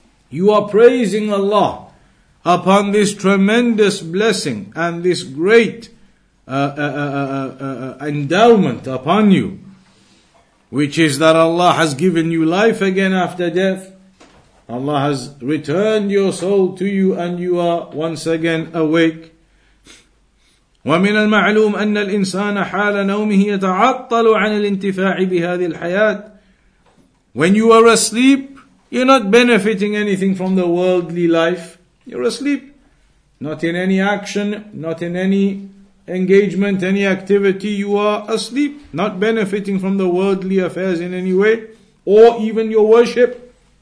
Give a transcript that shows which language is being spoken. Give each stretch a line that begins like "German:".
English: You are praising Allah upon this tremendous blessing and this great endowment upon you, which is that Allah has given you life again after death. Allah has returned your soul to you and you are once again awake.
Arabic: ومن المعلوم أن الإنسان حال نومه يتعطل عن الانتفاع بهذه الحياة.
English: When you are asleep, you're not benefiting anything from the worldly life. You're asleep, not in any action, not in any engagement, any activity. You are asleep, not benefiting from the worldly affairs in any way, or even your worship.